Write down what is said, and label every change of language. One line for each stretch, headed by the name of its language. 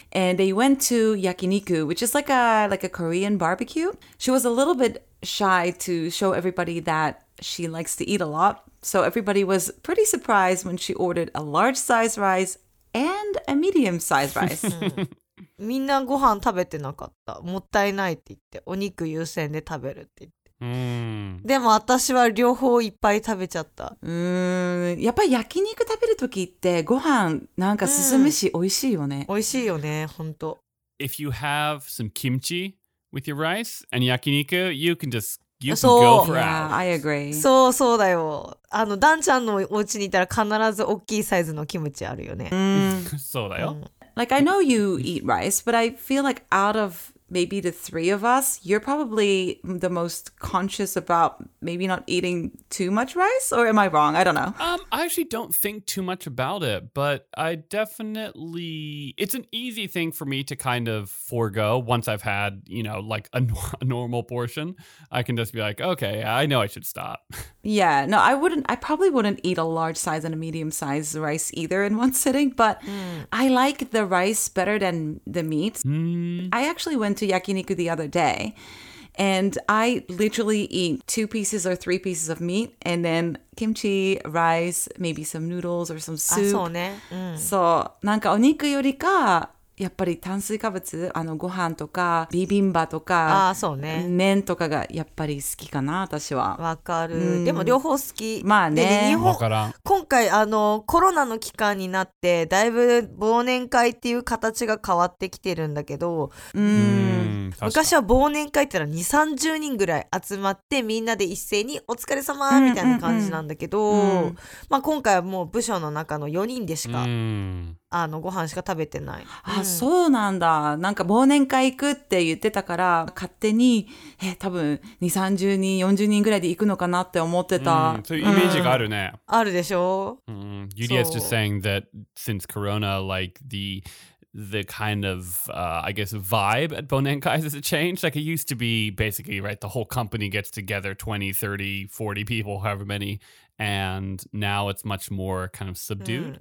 English: And they went to yakiniku, which is like a Korean barbecue. She was a little bit shy to show everybody that she likes to eat a lot. So everybody was pretty surprised when she ordered a large size rice and a medium size rice. 、うん、
Japanese: みんなご飯食べてなかった。もったいないって言って、お肉優先で食べるって言って。でも私は両方いっぱい食べちゃった。やっぱり焼肉食べるときってご飯なんか進むし美味しいよね。美味しいよね、本当。
English: If you have some kimchi with your rice and yakiniku, you can just you can go for hours. Yeah, I agree.
Japanese: そうそうだよ。ダンちゃんのお家にいたら必ず大きいサイズのキムチあるよね。そうだよ。
English: Like I know you eat rice, but I feel like out of maybe the three of us, you're probably the most conscious about maybe not eating too much rice? Or am I wrong? I don't know. I actually don't think too much about it, but I definitely... It's an easy thing for me to kind of forego once I've had, you know, like a normal portion. I can just be like, okay, I know I should stop. Yeah, no, I probably wouldn't eat a large size and a medium size rice either in one sitting, but I like the rice better than the meat. I actually went to yakiniku the other day, and I literally eat two pieces or three pieces of meat, and then kimchi, rice, maybe some noodles or some soup.
Japanese: あ、そうね。うん。そう、なんかお肉よりか、やっぱり炭水化物、ご飯とか、ビビンバとか、あ、そうね。麺とかがやっぱり好きかな、私は。わかる。でも両方好き。まあね。日本、わからん。今回、コロナの期間になって、だいぶ忘年会っていう形が変わってきてるんだけど、昔は忘年会ってのは2、30人ぐらい集まってみんなで一斉にお疲れ様みたいな感じなんだけど、まあ今回はもう部署の中の4人でしか、ご飯しか食べてない。あ、そうなんだ。なんか忘年会行くって言ってたから勝手に、多分2、30人、40人ぐらいで行くのかなって思ってた。そういうイメージがあるね。あるでしょ。
English: Yurie is just saying that since Corona, like the kind of, I guess, vibe at Bonenkai, has it changed? Like, it used to be basically, right, the whole company gets together 20, 30, 40 people, however many, and now it's much more kind of subdued.